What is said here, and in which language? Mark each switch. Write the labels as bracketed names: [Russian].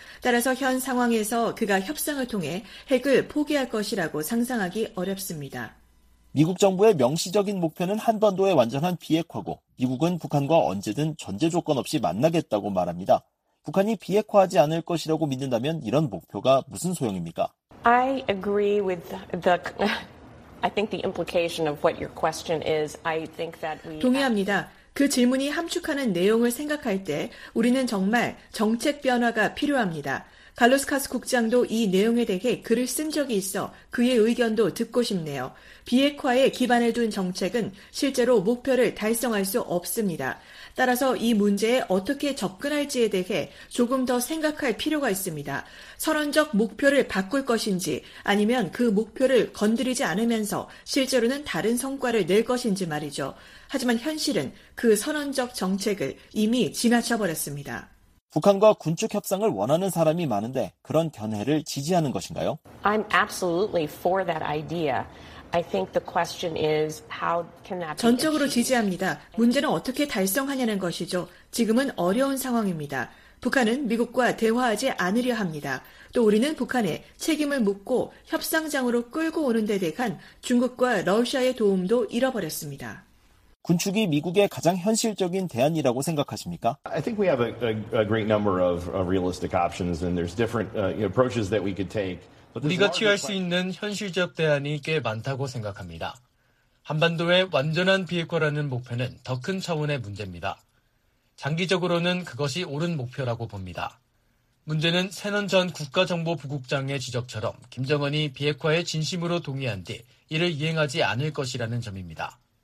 [Korean] 따라서 현 상황에서 그가 협상을 통해 핵을 포기할 것이라고 상상하기 어렵습니다. 미국 정부의 명시적인 목표는 한반도의 완전한 비핵화고 미국은 북한과 언제든 전제 조건 없이 만나겠다고 말합니다. 북한이 비핵화하지 않을 것이라고 믿는다면 이런 목표가 무슨 소용입니까? [English] I agree with the I think the implication of what your question is, I think that we [Korean] 동의합니다. 그 질문이 함축하는 내용을 생각할 때 우리는 정말 정책 변화가 필요합니다. 칼로스 카스 국장도 이 내용에 대해 글을 쓴 적이 있어 그의 의견도 듣고 싶네요. 비핵화에 기반을 둔 정책은 실제로 목표를 달성할 수 없습니다. 따라서 이 문제에 어떻게 접근할지에 대해 조금 더 생각할 필요가 있습니다. 선언적 목표를 바꿀 것인지 아니면 그 목표를 건드리지 않으면서 실제로는 다른 성과를 낼 것인지 말이죠. 하지만 현실은 그 선언적 정책을 이미 지나쳐버렸습니다. 북한과 군축 협상을 원하는 사람이 많은데 그런 견해를 지지하는 것인가요? [English] I'm absolutely for that idea. I think the question is how can that [Korean] 전적으로 지지합니다. 문제는 어떻게 달성하냐는 것이죠. 지금은 어려운 상황입니다. 북한은 미국과 대화하지 않으려 합니다. 또 우리는 북한에 책임을 묻고 협상장으로 끌고 오는 데 대한 중국과 러시아의 도움도 잃어버렸습니다. 군축이 미국의 가장 현실적인 대안이라고 생각하십니까? [English] I think we have a great number of realistic options and there's different approaches that we could take. [Korean] 우리가 취할 수 있는 현실적 대안이 꽤 많다고 생각합니다. 한반도의 완전한 비핵화라는 목표는 더 큰 차원의 문제입니다. 장기적으로는 그것이 옳은 목표라고 봅니다. 문제는 세넌 전 국가정보부국장의 지적처럼 김정은이 비핵화에 진심으로 동의한 뒤 이를 이행하지 않을 것이라는 점입니다.